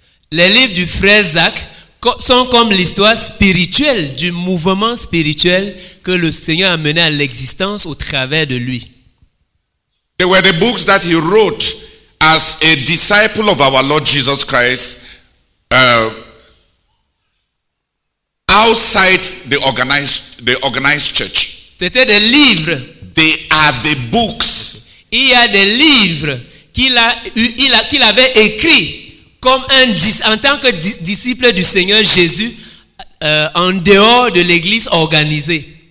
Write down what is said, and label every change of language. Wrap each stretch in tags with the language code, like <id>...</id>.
<fr>Les livres du frère Jacques sont comme l'histoire spirituelle du mouvement spirituel que le Seigneur a mené à l'existence au travers de lui.</fr> <en>They were the books that he wrote as a disciple of our Lord Jesus Christ outside the organized church.</en> <fr>C'était des livres.</fr> <en>They are the books.</en> <fr>Il y a des livres qu'il avait écrits comme en tant que disciple du Seigneur Jésus en dehors de l'église organisée.</fr>